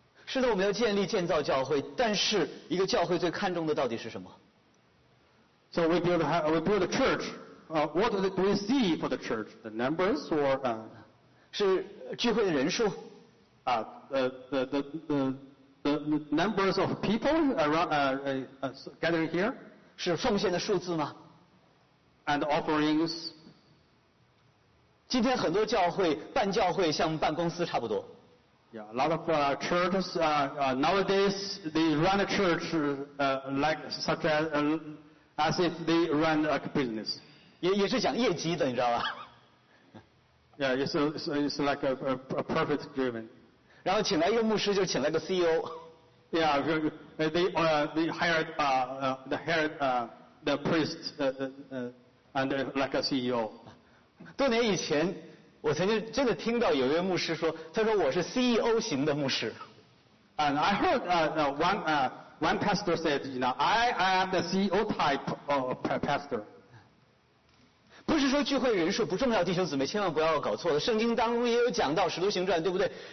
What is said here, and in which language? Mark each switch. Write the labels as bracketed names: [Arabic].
[Chinese] 是的，我们要建造教会，但是一个教会最看重的到底是什么 [English] ？So we build a church. What do we see for the church? The numbers or [Chinese] 是聚会的人数？ [English] The numbers of people gathering here [Chinese] 是奉献的数字吗 [English] ？And offerings. [Chinese] 今天很多教会办教会像办公司差不多。 [English] Yeah, a lot of churches nowadays they run a church as if they run a business. [Chinese] 也是讲业绩的，你知道吧 [English] ？Yeah, it's like a profit driven. [Chinese] 然后请来一个牧师，就请来个 CEO。 [English] Yeah, they hired the priest and like a CEO. [Chinese] 多年以前，我曾经真的听到有一位牧师说，他说我是 CEO 型的牧师。 [English] And I heard one pastor said, you know, I am the CEO type of pastor. [Chinese] 不是说聚会人数不重要，弟兄姊妹千万不要搞错了。圣经当中也有讲到《使徒行传》，对不对？